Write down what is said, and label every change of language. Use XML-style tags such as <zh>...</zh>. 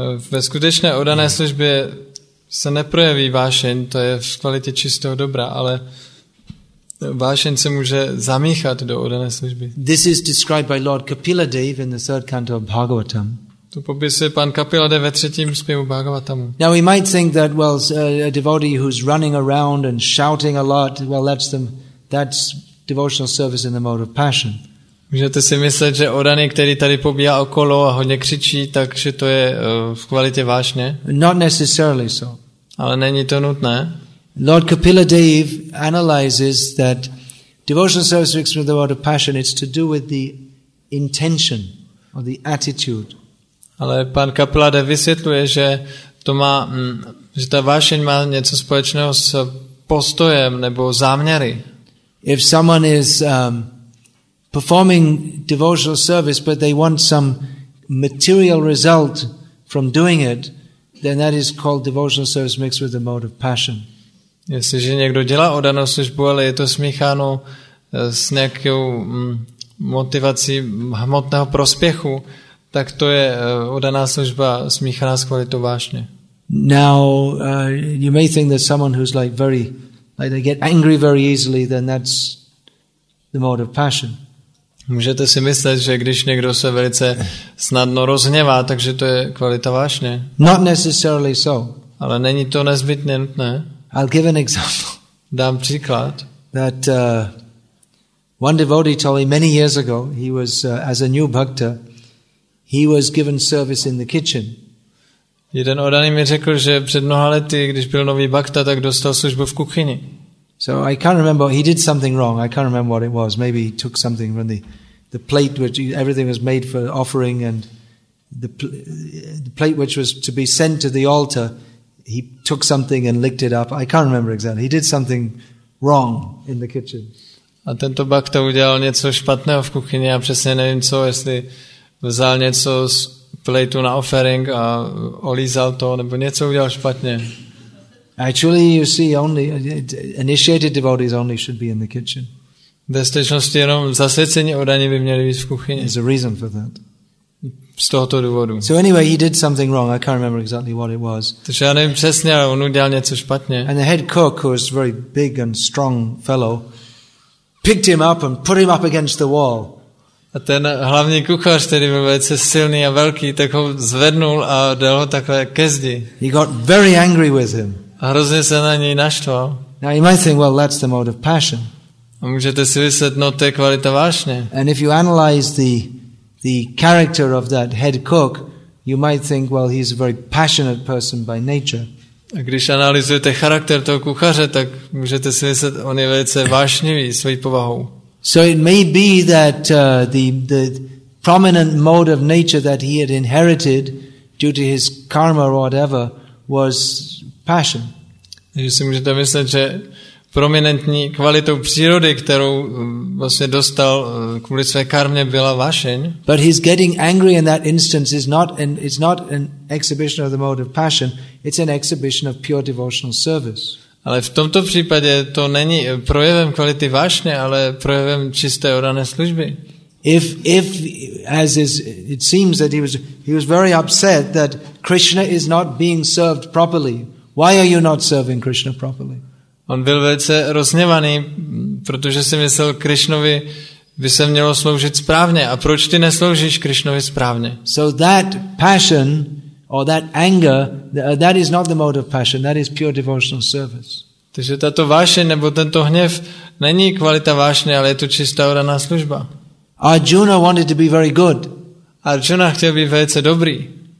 <cs>Ve skutečné oddané službě se neprojeví vášeň, to je v kvalitě čistého dobra, ale vášeň se může zamíchat do oddané služby.</cs> <en>This is described by Lord Kapila Dev in the third canto of Bhagavatam.</en> <cs>To popisuje pan Kapila Dev ve třetím zpěvu Bhagavatamu.</cs> <en>Now we might think that, well, a devotee who's running around and shouting a lot, well, that's devotional service in the mode of passion.</en> <cs>Můžete si myslet, že oddaný, který tady pobíhá okolo a hodně křičí, takže to je v kvalitě vášně?</cs> <en>Not necessarily so.</en> <cs>Ale není to nutné.</cs> <en>Lord Kapila Dev analyzes that devotional service mixed with the mode of passion, it's to do with the intention or the attitude.</en> <cs>Ale pan Kapila Dev vysvětluje, že to má, že ta vášeň má něco společného s postojem nebo záměry.</cs> <en>If someone is performing devotional service, but they want some material result from doing it, then that is called devotional service mixed with the mode of passion.</en> <cs>Jestliže někdo dělá oddanou službu, ale je to smícháno s nějakou motivací hmotného prospěchu, tak to je oddaná služba smíchaná s kvalitou vášně.</cs> <en>Now, you may think that someone who's like very, like they get angry very easily, then that's the mode of passion.</en> <cs>Můžete si myslet, že když někdo se velice snadno rozhněvá, takže to je kvalita vášně.</cs> <en>Not necessarily so.</en> <cs>Ale není to nezbytně nutné.</cs> <en>I'll give an example.</en> <cs>Dám příklad.</cs> <en>That one devotee told me many years ago, he was as a new bhakta, he was given service in the kitchen.</en> <cs>Jeden oddaný mi řekl, že před mnoha lety, když byl nový bhakta, tak dostal službu v kuchyni.</cs> <en>So I can't remember, he did something wrong. I can't remember what it was. Maybe he took something from the plate which everything was made for offering, and the plate which was to be sent to the altar, he took something and licked it up. I can't remember exactly. He did something wrong in the kitchen.</en> <cs>A tento bakta udělal něco špatného v kuchyni, a přesně nevím co, jestli vzal něco z plateu na offering a olízal to, nebo něco udělal špatně.</cs> <en>Actually, you see, only initiated devotees only should be in the kitchen.</en> <cs>Ve skutečnosti jenom zasvěcení oddaní by měli být v kuchyni.</cs> <en>There's a reason for that.</en> <cs>Z tohoto důvodu.</cs> <en>So anyway, he did something wrong. I can't remember exactly what it was.</en> <cs>Takže já nevím přesně, ale on udělal něco špatně.</cs> <en>And the head cook, who was a very big and strong fellow, picked him up and put him up against the wall.</en> <cs>A ten hlavní kuchař, který byl velice silný a velký, tak ho zvednul a dal ho takhle ke zdi.</cs> <en>He got very angry with him.</en> <cs>A hrozně se na něj naštval.</cs> <en>Now you might think, well, that's the mode of passion.</en> <cs>A můžete si vysvět, no, to je kvalita vášně.</cs> <en>And if you analyze the character of that head cook, you might think, well, he's a very passionate person by nature.</en> <cs>A když analyzujete charakter toho kuchaře, tak můžete si vysvět, on je velice vášnivý svojí povahou.</cs> <en>So it may be that the prominent mode of nature that he had inherited due to his karma or whatever was passion.</en> <cs>Takže si můžete myslet, že prominentní kvalitou přírody, kterou vlastně dostal kvůli své karmě, byla vášeň.</cs> <en>But his getting angry in that instance is not an exhibition of the mode of passion, it's an exhibition of pure devotional service.</en> <cs>Ale v tomto případě to není projevem kvality vášně, ale projevem čisté oddané služby.</cs> <en>If as is, it seems that he was very upset that Krishna is not being served properly. Why are you not serving Krishna properly?</en> <cs>On byl velice rozněvaný, protože si myslel, Krišnovi by se mělo sloužit správně. A proč ty nesloužíš Krišnovi správně?</cs> <en>So that passion or that anger, that is not the mode of passion, that is pure devotional service.</en> <cs>Takže tato vášeň nebo tento hněv není kvalita vášně, ale je to čistá oraná služba.</cs> <en>Arjuna wanted to be very good.</en> <cs>Arjuna chtěl být velice dobrý.</cs>